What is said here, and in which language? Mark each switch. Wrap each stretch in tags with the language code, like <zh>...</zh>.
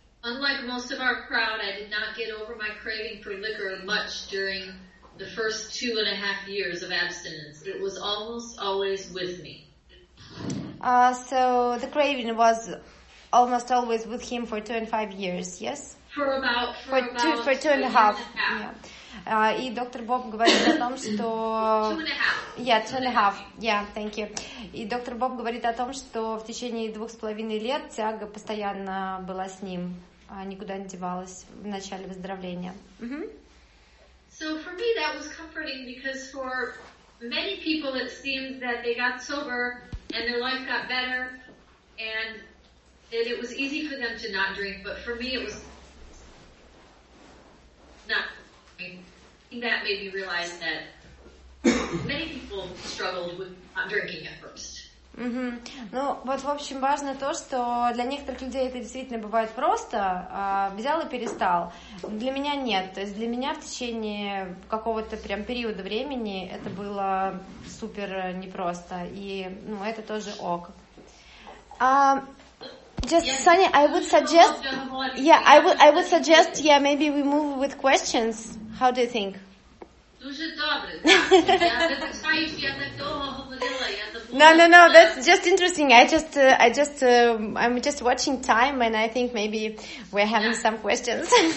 <en>Unlike most of our crowd, I did not get over my craving for liquor much during the first 2.5 years of abstinence. It was almost always with me. So the craving was almost always with him for 2.5 years, yes? For two and a half.</en> <ru>И доктор Боб говорит о том, что...</ru> <en>Two and a half.</en> <ru>И доктор Боб говорит о том, что в течение 2.5 лет тяга постоянно была с ним. Никуда не девалась в начале выздоровления.</ru> <en>So for me that was comforting because for many people it seems that they got sober and their life got better and that it was easy for them to not drink, but for me it was not drinking. That made me realize that many people struggled with not drinking at first.</en> <ru>Ну, вот, в общем, важно то, что для некоторых людей это действительно бывает просто, взял и перестал. Для меня нет. То есть для меня в течение какого-то прям периода времени это было супер непросто. И, ну, это тоже ок.</ru> <en>Sunny, I would suggest, maybe we move with questions. How do you think? Please.</en> <uk>Дуже добре. Я не знаю, я на цього говорила.</uk> <en>No, that's just interesting. I'm just watching time, and I think maybe we're having some questions.</en>